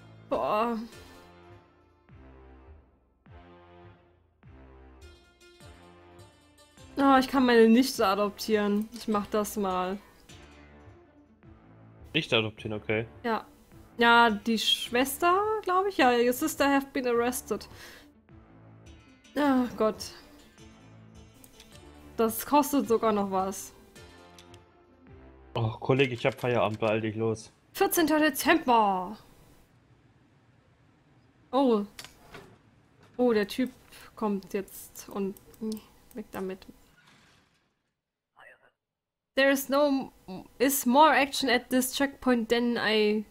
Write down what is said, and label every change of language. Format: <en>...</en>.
<de>Boah. Oh, ich kann meine Nichte adoptieren. Ich mach das mal. Nicht adoptieren, okay. Ja. Ja, die Schwester, glaube ich.</de> <en>Ja, your sister have been arrested.</en> <de>Ach Gott. Das kostet sogar noch was. Oh, Kollege, ich hab Feierabend, beeil dich los. 14. Dezember. Oh. Oh, der Typ kommt jetzt und weg damit.</de> <en>There is no is more action at this checkpoint than I.</en>